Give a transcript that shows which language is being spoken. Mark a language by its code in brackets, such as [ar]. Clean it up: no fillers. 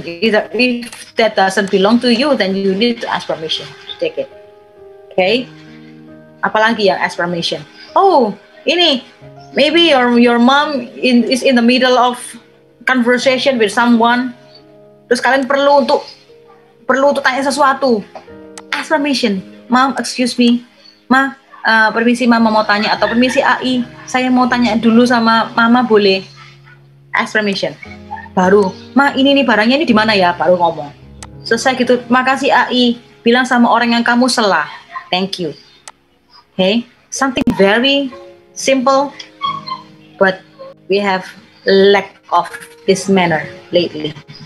[en] Either if that doesn't belong to you, then you need to ask permission to take it. Okay? Apalagi yang ask permission. Oh, ini maybe your mom is in the middle of conversation with someone. [id] Terus kalian perlu untuk tanya sesuatu. Ask permission. Mom, excuse me. Ma, permisi mama mau tanya, atau permisi AI, saya mau tanya dulu sama mama boleh? Ask permission. Baru, ma ini barangnya ini di mana ya? Baru ngomong. Selesai gitu. Makasih AI, bilang sama orang yang kamu selah. [en] Thank you. Okay, something very simple, but we have lack of this manner lately.